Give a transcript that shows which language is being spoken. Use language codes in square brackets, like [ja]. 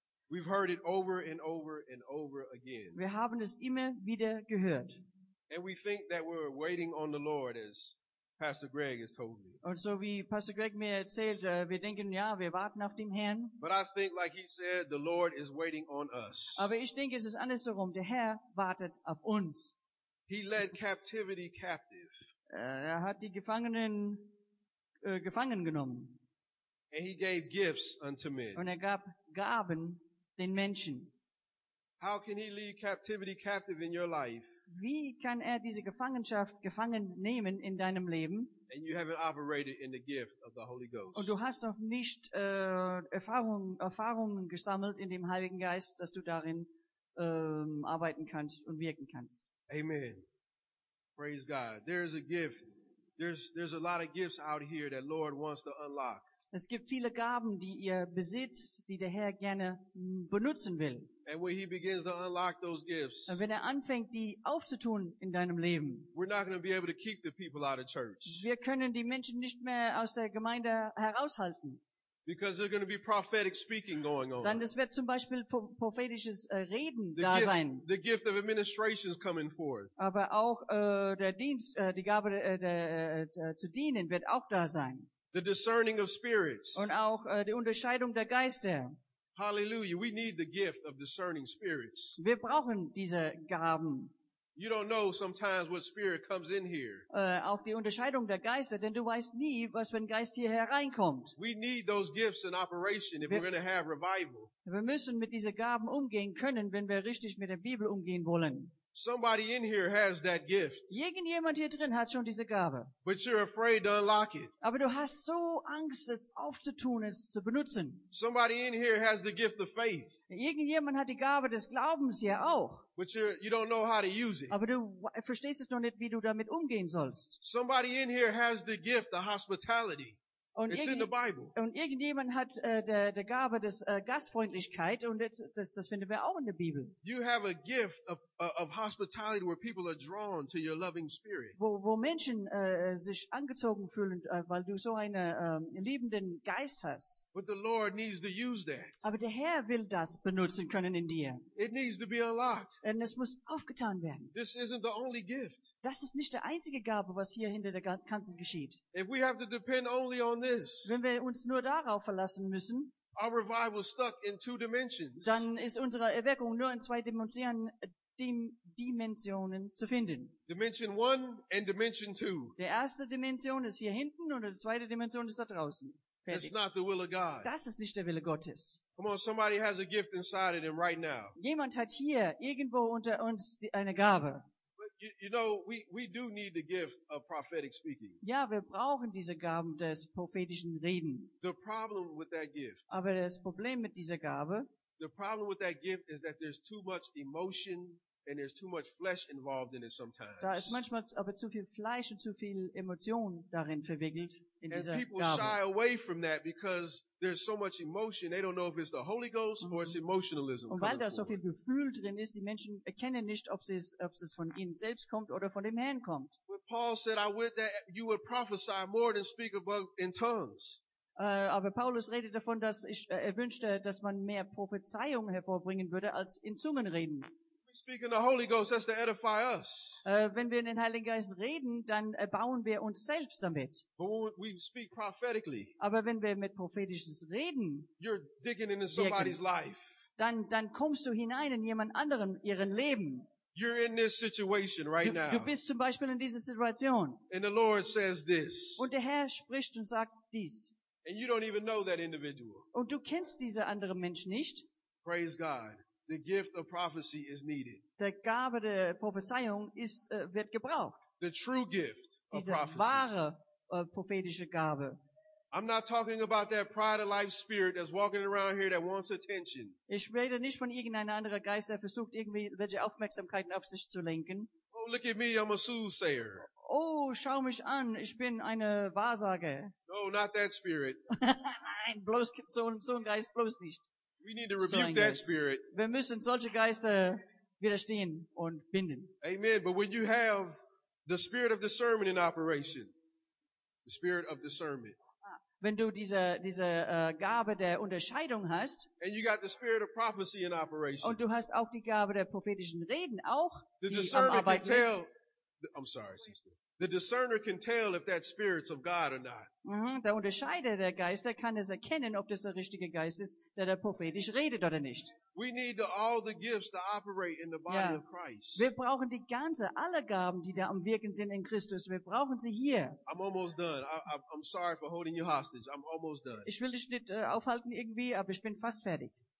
[en] We've heard it over and over and over again. [de] Wir haben es immer wieder gehört. [en] And we think that we're waiting on the Lord, as Pastor Greg has told me. [de] Und so wie Pastor Greg mir erzählt, wir denken, ja, wir warten auf dem Herrn. [en] But I think, like he said, the Lord is waiting on us. [de] Aber ich denke, es ist andersherum. Der Herr wartet auf uns. [en] He led captivity captive. [de] Er hat die Gefangenen gefangen genommen. [en] And he gave gifts unto men. [de] Und er gab Gaben den Menschen. [en] How can he lead captivity captive in your life? [de] Wie kann er diese Gefangenschaft gefangen nehmen in deinem Leben? [en] And you haven't operated in the gift of the Holy Ghost. [de] Und du hast noch nicht Erfahrungen gesammelt in dem Heiligen Geist, dass du darin arbeiten kannst und wirken kannst. [en] Amen. Praise God. There is a gift. There's a lot of gifts out here that Lord wants to unlock. [de] Es gibt viele Gaben, die ihr besitzt, die der Herr gerne benutzen will. [en] And when he begins to unlock those gifts, [de] und wenn er anfängt, die aufzutun in deinem Leben, [en] we're not going to be able to keep the people out of church. [de] Wir können die Menschen nicht mehr aus der Gemeinde heraushalten. [en] Because there's going to be prophetic speaking going on. [de] Dann es wird zum Beispiel prophetisches Reden [en] the [de] da [en] gift, [de] sein. [en] The gift of administration is coming forth. [de] Aber auch der Dienst, die Gabe zu dienen, wird auch da sein. [en] The discerning of spirits. [de] Und auch die Unterscheidung der Geister. [en] Hallelujah! We need the gift of discerning spirits. [de] Wir brauchen diese Gaben. [en] You don't know sometimes what spirit comes in here. [de] Auch die Unterscheidung der Geister, denn du weißt nie, was für ein Geist hier hereinkommt. [en] We need those gifts in operation if we're going to have revival. [de] Wir müssen mit diesen Gaben umgehen können, wenn wir richtig mit der Bibel umgehen wollen. [en] Somebody in here has that gift. [de] Irgendjemand hier drin hat schon diese Gabe. [en] But you're afraid to unlock it. [de] Aber du hast so Angst, es aufzutun, es zu benutzen. [en] Somebody in here has the gift of faith. [de] Irgendjemand hat die Gabe des Glaubens hier auch. [en] But you don't know how to use it. [de] Aber du verstehst es noch nicht, wie du damit umgehen sollst. [en] Somebody in here has the gift of hospitality. It's in the Bible. [de] Und irgendjemand hat der Gabe des Gastfreundlichkeit und das finden wir auch in der Bibel. [en] You have a gift of hospitality where people are drawn to your loving spirit. [de] Wo Menschen sich angezogen fühlen, weil du so einen liebenden Geist hast. [en] But the Lord needs to use that. [de] Aber der Herr will das benutzen können in dir. [en] It needs to be unlocked. [de] Und es muss aufgetan werden. [en] This isn't the only gift. [de] Das ist nicht der einzige Gabe, was hier hinter der Kanzel geschieht. [en] If we have to depend only on this, [de] wenn wir uns nur darauf verlassen müssen, [en] our revival stuck in two dimensions. [de] Dann ist unsere Erweckung nur in zwei Dimensionen. Dimensionen zu finden. [en] Dimension 1 and Dimension 2. [de] Die erste Dimension ist hier hinten und die zweite Dimension ist da draußen. [en] That's not the will of God. [de] Das ist nicht der Wille Gottes. [en] Come on, somebody has a gift inside of them right now. [de] Jemand hat hier irgendwo unter uns eine Gabe. [en] You know, we do need the gift of prophetic speaking. [de] Ja, wir brauchen diese Gaben des prophetischen Reden. [en] The problem with that gift. [de] Aber das Problem mit dieser Gabe. [en] The problem with that gift is that there's too much emotion and there's too much flesh involved in it sometimes. [de] Da ist manchmal aber zu viel Fleisch und zu viel Emotion darin verwickelt in [en] and [de] dieser [en] people [de] Gabe. [en] Shy away from that because there's so much emotion, they don't know if it's the Holy Ghost or it's emotionalism. [de] Und weil da [en] forward. [de] So viel Gefühl drin ist, die Menschen erkennen nicht, ob es von ihnen selbst kommt oder von dem Herrn kommt. [en] But Paul said, I would that you would prophesy more than speak above in tongues. [de] Aber Paulus redet davon, dass er wünschte, dass man mehr Prophezeiung hervorbringen würde, als in Zungen reden. Wenn wir in den Heiligen Geist reden, dann erbauen wir uns selbst damit. [en] But when we speak prophetically, [de] aber wenn wir mit prophetisches Reden [en] you're digging into somebody's life. [de] Dann kommst du hinein in jemand anderen, ihren Leben. [en] You're in this situation right now. [de] Du bist zum Beispiel in dieser Situation. [en] And the Lord says this. [de] Und der Herr spricht und sagt dies. [en] And you don't even know that individual. [de] Und du kennst diese andere Mensch nicht. [en] Praise God. The gift of prophecy is needed. [de] Der Gabe der Prophezeiung wird gebraucht. [en] The true gift [de] diese [en] of prophecy. [de] Wahre prophetische Gabe. [en] I'm not talking about that pride of life spirit that's walking around here that wants attention. [de] Ich rede nicht von irgendeiner anderen Geist, der versucht irgendwie welche Aufmerksamkeiten auf sich zu lenken. [en] Oh, look at me, I'm a soothsayer. [de] Oh, schau mich an, ich bin eine Wahrsage. [en] No, not that spirit. [de] Nein, bloß so ein Geist, bloß nicht. [en] We need to rebuke that spirit. [de] Wir müssen solche Geister widerstehen und binden. [en] Amen, but when you have the spirit of discernment in operation, the spirit of discernment. [de] Wenn du diese Gabe der Unterscheidung hast, [en] and you got the spirit of prophecy in operation, [de] und du hast auch die Gabe der prophetischen Reden, auch [en] the [de] die discernment am Arbeiten [en] tell, I'm sorry, sister. The discerner can tell if that spirit's of God or not. [de] Der Unterscheider der Geister kann es erkennen, ob das der richtige Geist ist, der da prophetisch redet oder nicht. [en] We need all the gifts to operate in the body of Christ. [de] Wir brauchen die ganze, alle Gaben, die da am Wirken sind in Christus. Wir brauchen sie hier. [en] I'm almost done. I'm sorry for holding you hostage. I'm almost done. [de] Ich will dich nicht aufhalten irgendwie, aber ich bin fast fertig.